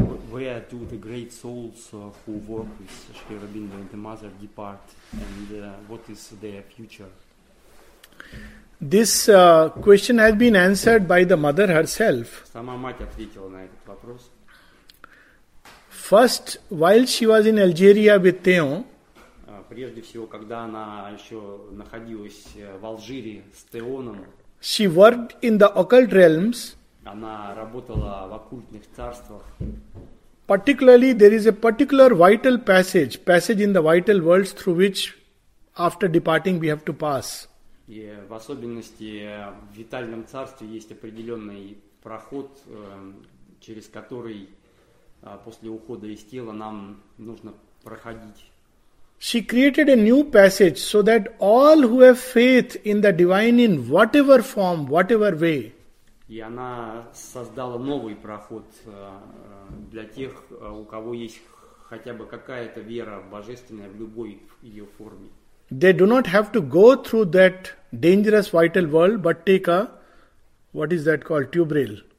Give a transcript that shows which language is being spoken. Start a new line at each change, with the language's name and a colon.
English: Where do the great souls who work with Sri Aurobindo and the Mother depart, and what is their future? This question has been answered by the Mother herself.
Russian: Сама мать ответила на этот вопрос.
English: First, while she was in Algeria with Theo,
Russian: прежде всего, когда она еще находилась в Алжире с Теоном,
English: she worked in the occult realms.
Russian: Она работала в оккультных царствах.
English: Particularly, there is a particular vital passage, passage in the vital worlds through which, after departing, we have to pass.
Russian: И в особенности в витальном царстве есть определенный проход, через который после ухода из тела нам нужно проходить.
English: She created a new passage so that all who have faith in the divine in whatever form, whatever way.
Russian: И она создала новый проход для тех, у кого есть хотя бы какая-то вера божественная в любой ее форме.
English: They do not have to go through that dangerous vital world, but take a, what is that called, tube rail?